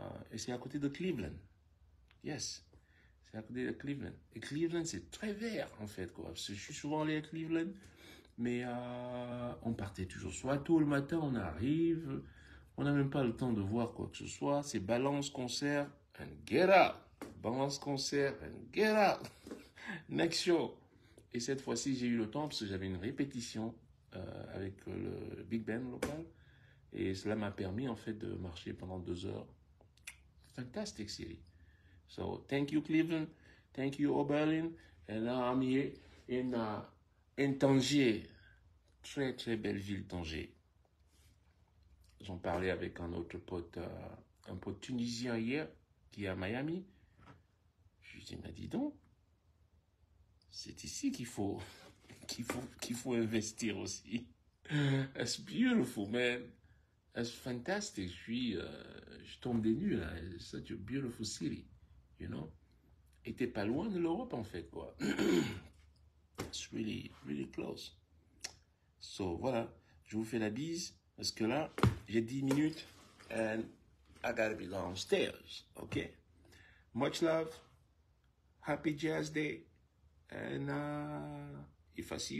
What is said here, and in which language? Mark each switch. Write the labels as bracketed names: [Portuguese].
[French] Et c'est à côté de Cleveland. [English] Yes. [French] À côté de Cleveland. Et Cleveland, c'est très vert, en fait, quoi. Parce que je suis souvent allé à Cleveland, mais on partait toujours soit tôt le matin, on arrive, on n'a même pas le temps de voir quoi que ce soit. C'est [English] balance concert and get out. Balance concert and get out. Next show. [French] Et cette fois-ci, j'ai eu le temps parce que j'avais une répétition avec le Big Band local. Et cela m'a permis, en fait, de marcher pendant 2 heures. [English] Fantastic city. So, thank you, Cleveland. Thank you, Oberlin. And I'm here in Tanger. [French] Très, très belle ville, Tanger. J'en parlais avec un autre pote, un pote tunisien hier, qui est à Miami. Je lui ai dit, mais dis donc, c'est ici qu'il faut investir aussi. [English] That's beautiful, man. That's fantastic. [French] Je tombe des nues, là. [English] It's such a beautiful city. [French] Et t'es pas loin de l'Europe en fait, quoi. [English] It's really, really close. So, [French] voilà, je vous fais la bise parce que là, j'ai 10 minutes [English] and I gotta be downstairs. Ok? Much love. Happy Jazz Day. If I see you today, cool. If I don't see you, I'm gonna see you when I see you. Ok?